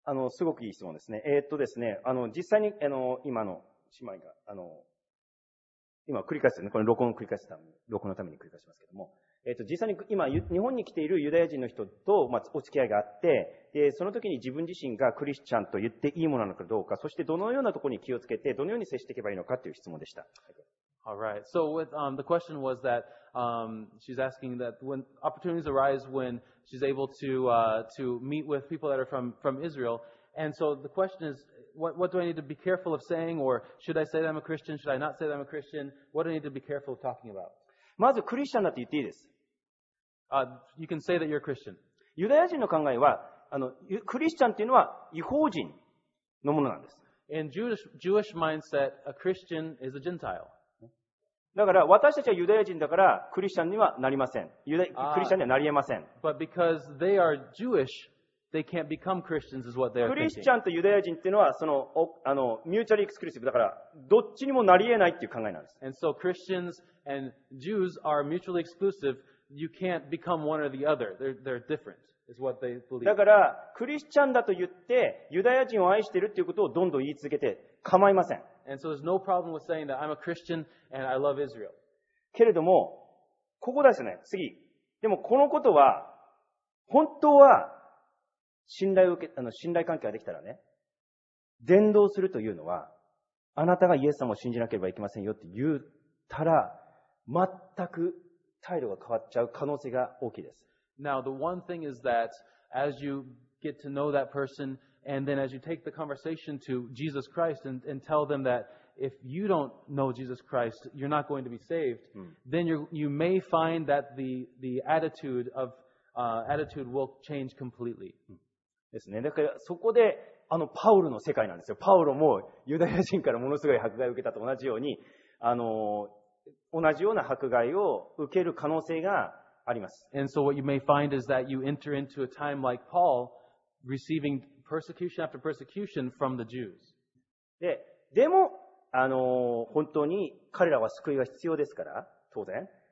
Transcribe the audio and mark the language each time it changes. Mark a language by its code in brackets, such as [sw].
[ja] すごくいい質問ですね。ですね、実際に、今の姉妹が、今繰り返すね、これ録音を繰り返すために、録音のために繰り返しますけども、実際に今、日本に来ているユダヤ人の人と、まあ、お付き合いがあって、で、その時に自分自身がクリスチャンと言っていいものなのかどうか、そしてどのようなところに気をつけて、どのように接していけばいいのかという質問でした。 [en] All right. So with, the question was that, she's asking that when opportunities arise when she's able to meet with people that are from Israel. And so the question is, what do I need to be careful of saying? Or should I say that I'm a Christian? Should I not say that I'm a Christian? What do I need to be careful of talking about? [ja] まずクリスチャンだって言っていいです。 [en] You can say that you're a Christian. [ja] ユダヤ人の考えは、クリスチャンっていうのは異邦人のものなんです。 [en] In Jewish mindset, a Christian is a Gentile. [ja] だから私たちはユダヤ人だからクリスチャンにはなりません。クリスチャンにはなり得ません。 [en] But because they are Jewish, They can't become Christians is what they are thinking. [ja] クリスチャンとユダヤ人っていうのはその、あの、ミューチャルエクスクルーシブだから、どっちにもなり得ないっていう考えなんです。 [en] And so Christians and Jews are mutually exclusive. You can't become one or the other. They're different, is what they believe. [ja] だから、クリスチャンだと言って、ユダヤ人を愛してるっていうことをどんどん言い続けて、構いません。 [en] And so there's no problem with saying that I'm a Christian and I love Israel. [ja] けれども、ここですね、次。でもこのことは、本当は、信頼を受け、あの、信頼関係ができたらね、伝道するというのは、あなたがイエス様を信じなければいけませんよって言ったら、全く態度が変わっちゃう可能性が大きいです。 [en] Now, the one thing is that, as you get to know that person, and then as you take the conversation to Jesus Christ and tell them that if you don't know Jesus Christ, you're not going to be saved, then you may find that the attitude of, attitude will change completely. [ja] ですね。だから、そこで、あの、パウロの世界なんですよ。パウロも、ユダヤ人からものすごい迫害を受けたと同じように、同じような迫害を受ける可能性があります。 [en] And so what you may find is that you enter into a time like Paul, receiving persecution after persecution from the Jews. [ja] でも、本当に彼らは救いが必要ですから、当然。